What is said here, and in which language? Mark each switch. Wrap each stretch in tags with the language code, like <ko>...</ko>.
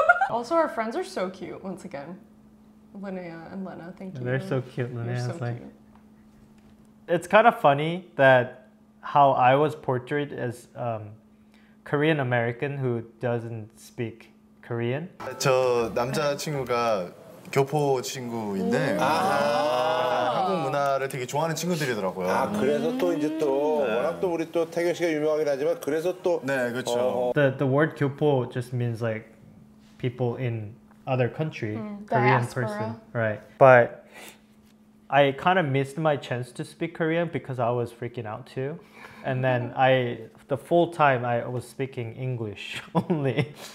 <en>Also, our friends are so cute, once again. Linnea and Lena, thank you. They're so cute, Linnea. So like, it's kind of funny that how I was portrayed as Korean-American who doesn't speak Korean.</en> <ko>저 남자친구가 교포 친구인데 한국 문화를 되게 좋아하는 친구들이더라고요. 아, 그래서 또 이제 또 워낙 또 우리 또 태경 씨가 유명하긴 하지만 그래서 또 네, 그렇죠.</ko> <en>The word 교포 just means like people in other country, Korean diaspora. Person, right? But I kind of missed my chance to speak Korean because I was freaking out too. And then the full time I was speaking English only.</en>